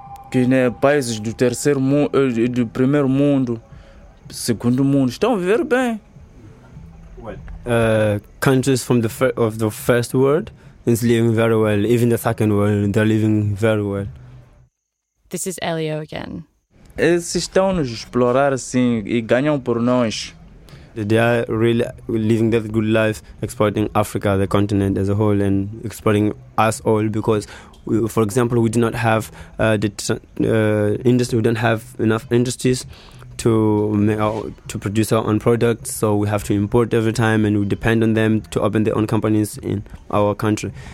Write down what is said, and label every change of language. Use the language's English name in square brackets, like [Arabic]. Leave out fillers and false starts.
[Portuguese] Que países do terceiro mundo, do primeiro mundo, segundo mundo estão a viver bem. [English] Countries from the first world is living very well. Even the second world, they're living very well. This is Elio again. [Portuguese] Eles estão nos explorar assim e ganham por nós. [English] They are really living that good life, exploiting Africa, the continent as a whole, and exploiting us all because, for example, we do not have industry. We don't have enough industries to produce our own products, so we have to import every time, and we depend on them to open their own companies in our country.